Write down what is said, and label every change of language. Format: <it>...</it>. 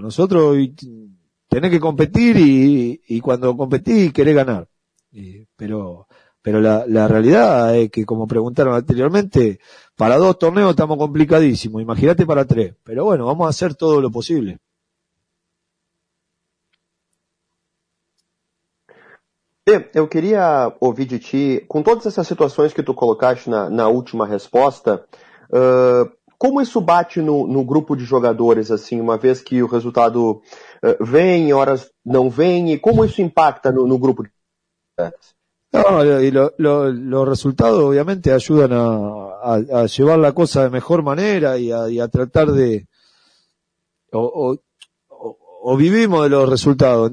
<es>Nosotros tenés que competir y cuando competís querés ganar. Pero la realidad es que, como preguntaron anteriormente, para 2 torneos estamos complicadísimos, imagínate para 3. Pero bueno, vamos a hacer todo lo posible.</es> <pt>Eu queria ouvir de ti, com todas essas situações que tu colocaste na última resposta, como isso bate no grupo de jogadores, assim, uma vez que o resultado vem, horas não vem, e como isso impacta no grupo de jogadores? Não, os resultados, obviamente, ajudam a levar a coisa de melhor maneira e a tratar de...</pt> <es>Ou vivimos de los resultados.</es>